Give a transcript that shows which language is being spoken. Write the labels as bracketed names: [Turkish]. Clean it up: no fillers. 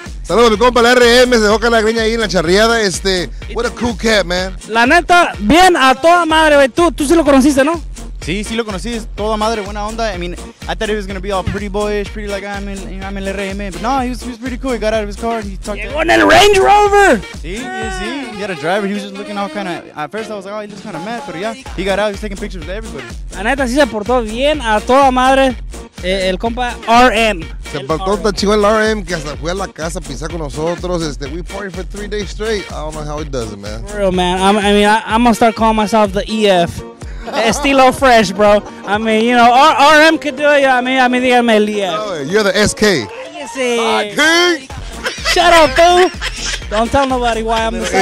[Spanish] Saludos a mi compa, la RM, se dejó la greña ahí en la charreada. [English] What a cool cat, man. [Spanish] La neta, bien a toda madre, güey. Tú sí lo conociste, ¿no? Sí, sí lo conocí, es toda madre, buena onda. [English] I mean, I thought he was gonna be all pretty boyish, pretty like I'm el RM. But no, he was pretty cool. He got out of his car and he talked to me. [Spanish] ¡Llegó en el Range Rover! Sí. [English] He had a driver, he was just looking all kind of. At first I was like, oh, he looks kind of mad, but yeah, he got out, he was taking pictures with everybody. [Spanish] La neta, sí se portó bien a toda madre. El compa RM. Se portó tan chido el RM que hasta fue a la casa a pisar con nosotros. [English] We party for 3 days straight. I don't know how it does it, man. For real, man. I'm gonna start calling myself the EF. Estilo Fresh, bro. I mean, you know, RM could do it. I mean, [Spanish] díganme el EF. [English] No, you're the SK. [Spanish] Cállese. [English] King. Shut up, boo. Don't tell nobody why I'm the side king.